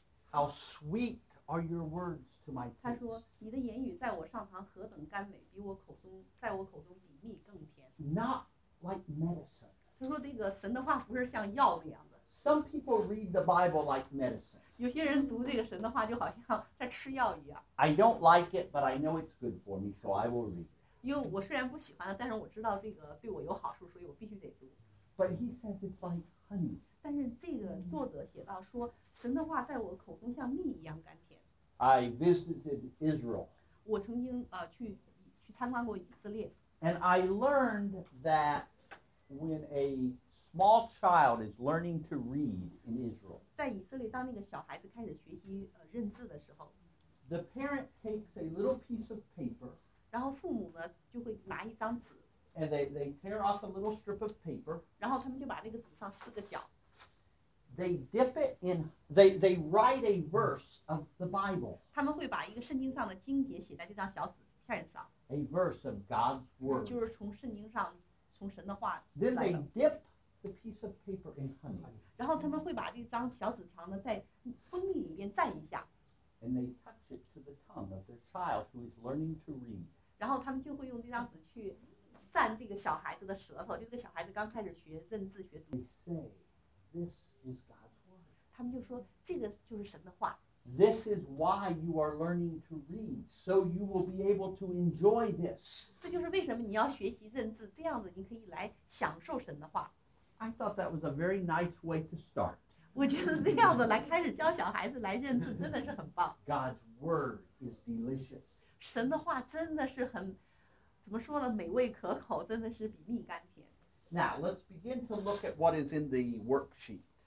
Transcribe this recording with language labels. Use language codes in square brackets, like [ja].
[en] How sweet are your words to my taste. [zh] 他说你的言语在我上堂何等甘美，在我口中比蜜更甜。 [en] Not like medicine. [zh] 他说：“这个神的话不是像药那样的。” [en] Some people read the Bible like medicine. [zh] 有些人读这个神的话就好像在吃药一样。 [en] I don't like it, but I know it's good for me, so I will read. [zh] 因为我虽然不喜欢，但是我知道这个对我有好处，所以我必须得读。 [en] But he says it's like honey. [zh] 但是这个作者写到说，神的话在我口中像蜜一样甘甜。 [en] I visited Israel. [zh] 我曾经去参观过以色列。 [en] And I learned that. When a small child is learning to read in Israel, [zh] 在以色列，当那个小孩子开始学习认字的时候 [en] ，the parent takes a little piece of paper, [zh] 然后父母呢就会拿一张纸 [en] And they tear off a little strip of paper. [zh] 然后他们就把那个纸上四个角。 [en] They dip it in, they write a verse of the Bible. [zh] 他们会把一个圣经上的经节写在这张小纸片上。 [en] A verse of God's word. [zh] 就是从圣经上，从神的话来的。 [en] Then they dip the piece of paper in honey. [zh] 然后他们会把这张小纸条呢，在蜂蜜里面蘸一下。 [en] And they touch it to the tongue of their child who is learning to read. [zh] 然后他们就会用这张纸去蘸这个小孩子的舌头，就这个小孩子刚开始学认字学读。 [en] They say, this is God's word. [zh] 他们就说这个就是神的话。 [en] This is why you are learning to read, so you will be able to enjoy this. [zh] 这就是为什么你要学习认字，这样子你可以来享受神的话。 [en] I thought that was a very nice way to start. [zh] 我觉得这样子来开始教小孩子来认字真的是很棒。 [en] God's word is delicious. [zh] 神的话真的是很，怎么说呢？美味可口，真的是比蜜甘甜。 [en] Now let's begin to look at what is in the worksheet.